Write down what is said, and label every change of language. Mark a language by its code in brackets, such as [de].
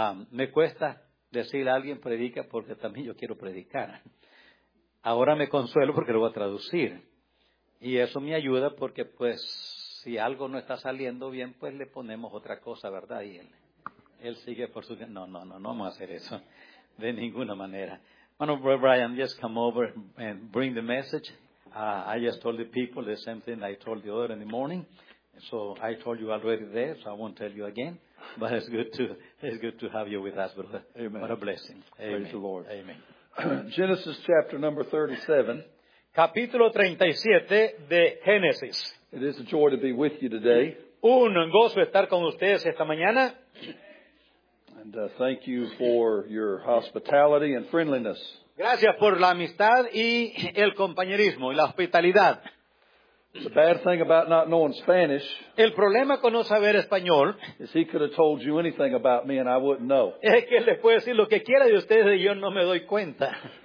[es] Me cuesta decirle a alguien predica porque también yo quiero predicar. Ahora me consuelo porque lo voy a traducir. Y eso me ayuda porque, pues, si algo no está saliendo bien, pues le ponemos otra cosa, ¿verdad? Y él sigue por su... No vamos a hacer eso. De ninguna manera. [en] Bueno, Brian, just come over and bring the message. I just told the people the same thing I told the other in the morning. So I told you already there, so I won't tell you again. But it's good to have you with us, brother. Amen. What a blessing. Amen. Praise the Lord. Amen. Genesis chapter number 37. [es] Capítulo 37 de Génesis. [en] It is a joy to be with you today. [es] Un gozo estar con ustedes esta mañana. [en] And thank you for your hospitality and friendliness. [es] Gracias por la amistad y el compañerismo y la hospitalidad. [en] It's a bad thing about not knowing Spanish. [es] El problema con no saber español. [en] Is he could have told you anything about me and I wouldn't know. [es] Es que les puede decir lo que quiera de ustedes y yo no me doy cuenta.